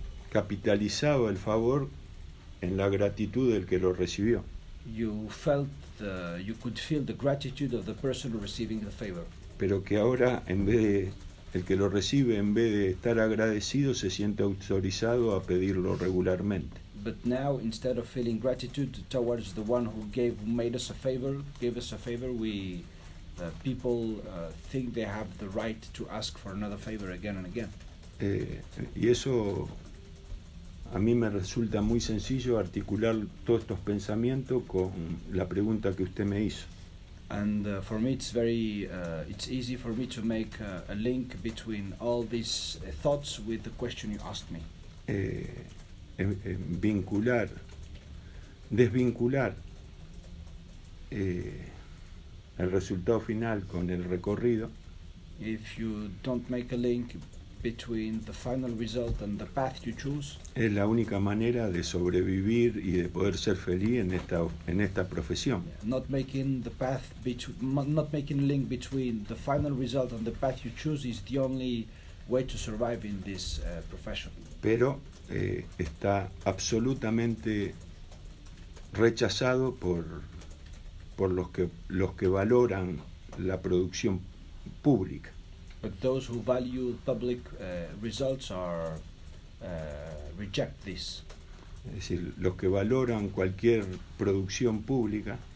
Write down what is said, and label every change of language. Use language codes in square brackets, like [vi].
[es] Capitalizaba el favor en la gratitud del que lo recibió. [en] You felt you could feel the gratitude of the person receiving the favor. [es] Pero que ahora el que lo recibe en vez de estar agradecido se siente autorizado a pedirlo regularmente. [en] But now instead of feeling gratitude towards the one who gave us a favor, people think they have the right to ask for another favor again and again. [es] Y eso a mí me resulta muy sencillo articular todos estos pensamientos con la pregunta que usted me hizo. [en] And for me it's very it's easy for me to make a link between all these thoughts with the question you asked me. [es] Vincular, desvincular el resultado final con el recorrido. [en] If you don't make a link between the final result and the path you choose, [es] es la única manera de sobrevivir y de poder ser feliz en esta profesión. [en] Not making a link between the final result and the path you choose is the only way to survive in this profession. [es] Pero está absolutamente rechazado por los que valoran la producción pública. [en] But those who value public results are reject this. [es] es decir, los que valoran cualquier producción pública,